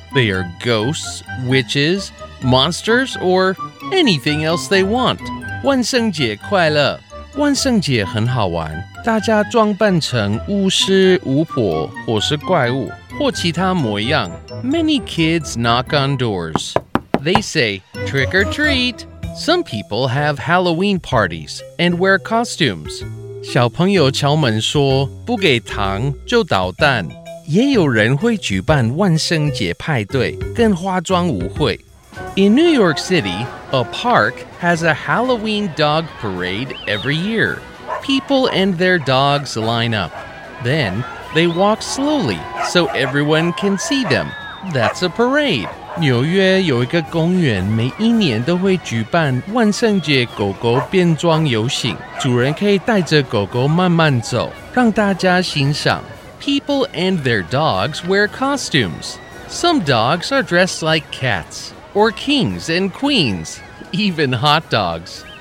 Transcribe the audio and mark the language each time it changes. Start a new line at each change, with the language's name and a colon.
English: They are ghosts, witches, monsters, or anything else they want.
Chinese: 萬聖節快樂，萬聖節很好玩。大家裝扮成巫師、巫婆或是怪物或其他模樣。
English: Many kids knock on doors. They say trick or treat. Some people have Halloween parties and wear costumes.
Chinese: 小朋友敲門說不給糖就搗蛋。也有人會舉辦萬聖節派對跟化裝舞會。
English: In New York City, a park has a Halloween dog parade every year. People and their dogs line up. Then, they walk slowly so everyone can see them. That's a parade.
Chinese: 紐約有一個公園每一年都會舉辦萬聖節狗狗變裝遊行。主人可以帶著狗狗慢慢走讓大家欣賞。
English: People and their dogs wear costumes. Some dogs are dressed like cats, or kings and queens, even hot dogs.